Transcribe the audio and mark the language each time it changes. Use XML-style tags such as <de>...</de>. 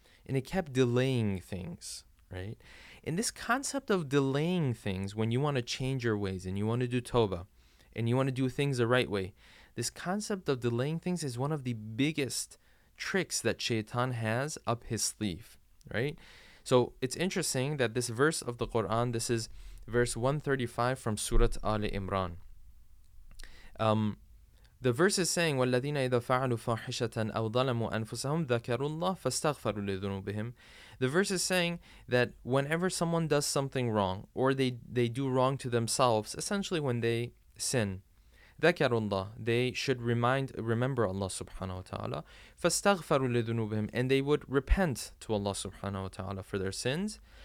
<en>And it kept delaying things, right? And this concept of delaying things, when you want to change your ways and you want to do tawbah and you want to do things the right way, This concept of delaying things is one of the biggest tricks that Shaitan has up his sleeve, right? So it's interesting that this verse of the Quran, this is verse 135 from Surah Ali Imran. The verse is saying,</en> <ar>وَالَّذِينَ إِذَا فَعَلُوا فَاحِشَةً أَوْ ظَلَمُوا أَنفُسَهُمْ ذَكَرُوا اللَّهَ فَاسْتَغْفَرُوا لِذُنُوبِهِمْ.</ar> <en>The verse is saying that whenever someone does something wrong, or they do wrong to themselves, essentially when they sin,</en> <ar>ذَكَرُوا اللَّهَ,</ar> <en>they should remember Allah subhanahu wa ta'ala,</en> <ar>فَاسْتَغْفَرُوا لِذُنُوبِهِمْ,</ar> <en>and they would repent to Allah subhanahu wa ta'ala for their sins.</en>